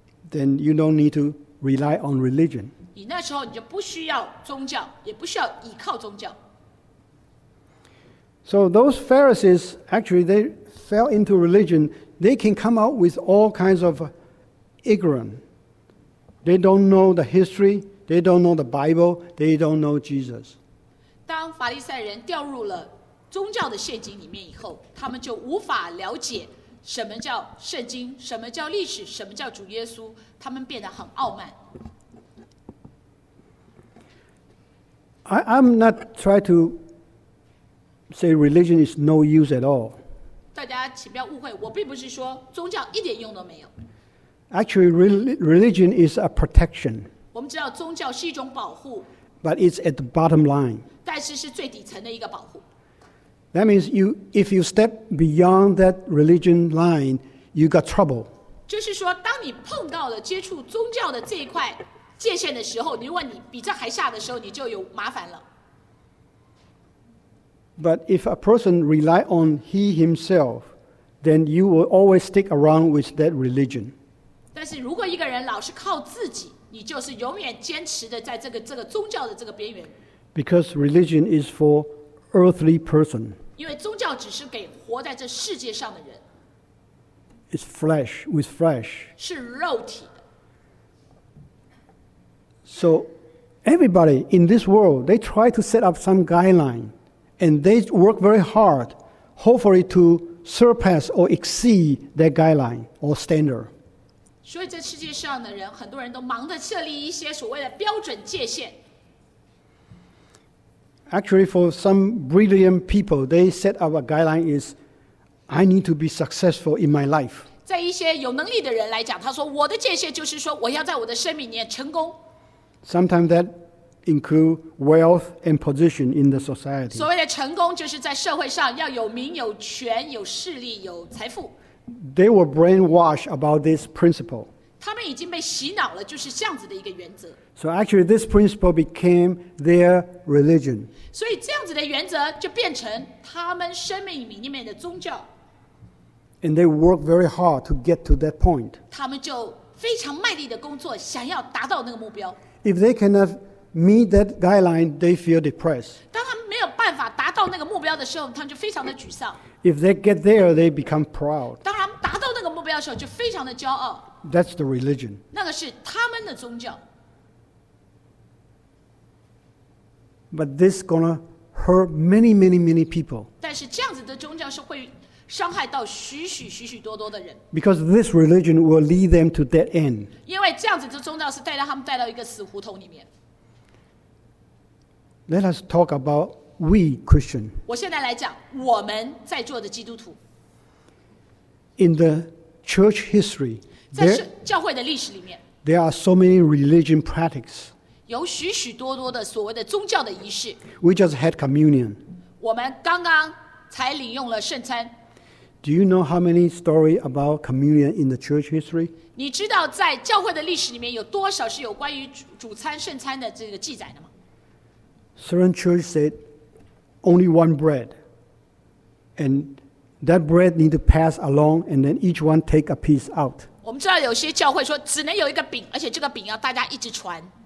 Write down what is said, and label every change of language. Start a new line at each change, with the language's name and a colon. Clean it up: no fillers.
English: Then you don't need to rely on religion.
Chinese: 你那时候你就不需要宗教，也不需要依靠宗教。
English: So those Pharisees actually they fell into religion. They can come out with all kinds of ignorance. They don't know the history. They don't know the Bible. They don't know Jesus.
Chinese: 当法利赛人掉入了宗教的陷阱里面以后，他们就无法了解。什么叫圣经？什么叫历史？什么叫主耶稣？他们变得很傲慢。
English: I'm not trying to say religion is no use at all.
Chinese: 大家请不要误会，我并不是说宗教一点用都没有。
English: Actually, religion is a protection.
Chinese: 我们知道宗教是一种保护。
English: But it's at the bottom line.
Chinese: 但是是最底层的一个保护。
English: That means if you step beyond that religion line, you got trouble.
Chinese: 就是说，当你碰到了接触宗教的这一块界限的时候，如果你比这还下的时候，你就有麻烦了。
English: But if a person rely on he himself, then you will always stick around with that religion.
Chinese: 但是如果一个人老是靠自己，你就是永远坚持的在这个宗教的这个边缘。
English: Because religion is for Earthly person.
Chinese: 因为宗教只是给活在这世界上的人。
English: It's flesh with flesh.
Chinese: 是肉体的。
English: So everybody in this world, they try to set up some guideline, and they work very hard, hopefully to surpass or exceed that guideline or standard.
Chinese: 所以这世界上的人，很多人都忙着设立一些所谓的标准界限。
English: actually for some brilliant people, they set up a guideline is, I need to be successful in my life.
Chinese: 在一些有能力的人来讲，他说我的界限就是说我要在我的生命里面成功。
English: Sometimes that include wealth and position in the society.
Chinese: 所谓的成功就是在社会上要有名、有权、有势力、有财富。
English: They were brainwashed about this principle.
Chinese: 他们已经被洗脑了，就是这样子的一个原则。
English: So actually, this principle became their religion.
Chinese: 所以这样子的原则就变成他们生命里面的宗教。
English: And they worked very hard to get to that point.
Chinese: 他们就非常卖力的工作，想要达到那个目标。
English: If they cannot meet that guideline, they feel depressed.
Chinese: 当他们没有办法达到那个目标的时候，他们就非常的沮丧。
English: If they get there, they become proud.
Chinese: 当他们达到那个目标的时候，就非常的骄傲。
English: That's the religion.
Chinese: 那个是他们的宗教。
English: But this is going to hurt many, many, many people.
Chinese: 但是这样子的宗教是会伤害到许许许许多多的人。
English: Because this religion will lead them to dead end.
Chinese: 因为这样子的宗教是带他们带到一个死胡同里面。
English: Let us talk about we Christian.
Chinese: 我现在来讲我们在座的基督徒。
English: In the church history,
Chinese: 在教会的历史里面
English: there are so many religion practices.
Chinese: 有许许多多的所谓的宗教的仪式。
English: We just had communion.
Chinese: 我们刚刚才领用了圣餐。
English: Do you know how many stories about communion in the church history?
Chinese: 你知道在教会的历史里面有多少是有关于主餐圣餐的这个记载的吗？
English: Certain church said only one bread, and that bread need to pass along, and then each one take a piece out.
Chinese: 我们知道有些教会说只能有一个饼，而且这个饼要大家一直传。